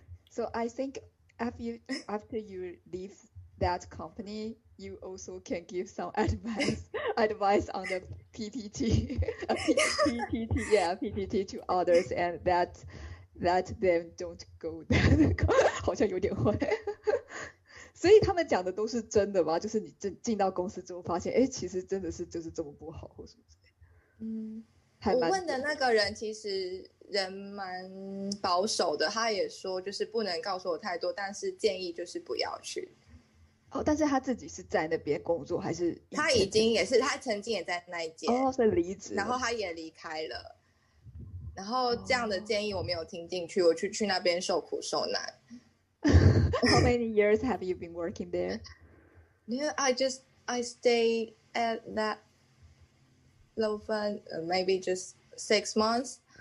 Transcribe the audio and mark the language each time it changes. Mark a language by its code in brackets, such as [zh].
[en] So I think after you leave that company, you also can give some advice on the PPT. PPT, yeah, PPT to others, and that them don't go there. [zh] 所以他们讲的都是真的吧，就是你进到公司之后发现哎，其实真的是就是这么不好或什么之类。我问的那个人其实人蛮保守的，他也说就是不能告诉我太多，但是建议就是不要去。哦，但是他自己是在那边工作还是？他已经也是，他曾经也在那一间。哦，是离职。然后他也离开了。然后这样的建议我没有听进去，我去那边受苦受难。 [en] How many years have you been working there? Yeah, I stayed at that Lofan, maybe just 6 months.